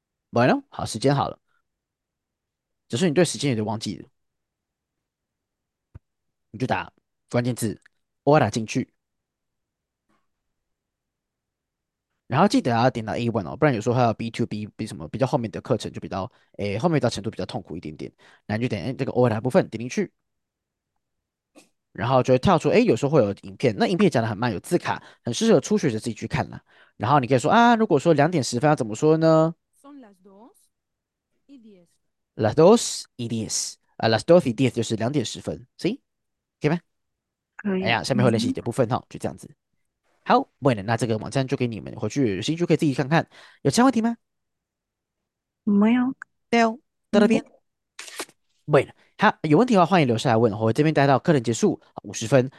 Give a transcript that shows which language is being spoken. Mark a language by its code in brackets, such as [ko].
[zh] Bueno，好，时间好了。只是你对时间有点忘记了，你就打关键字，ora 进去，然后记得要点到 A1 哦，不然有时候还有 B2、B 什么比较后面的课程就比较，后面的程度比较痛苦一点点，那你就点这个 ora 部分点进去，然后就会跳出，有时候会有影片，那影片讲得很慢，有字卡，很适合初学者自己去看啦。然后你可以说啊，如果说2:10要怎么说呢？ [es] Las dos y diez，las dos y diez [zh] 就是2:10，行，可以吗？可哎以，呀，下面会练习的部分哈，就这样子。好，bueno，那这个网站就给你们回去，有兴趣可以自己看看，有其他问题吗？没有，对哦，到那边。 bueno，好，有问题的话欢迎留下来问，我会这边待到课程结束50分。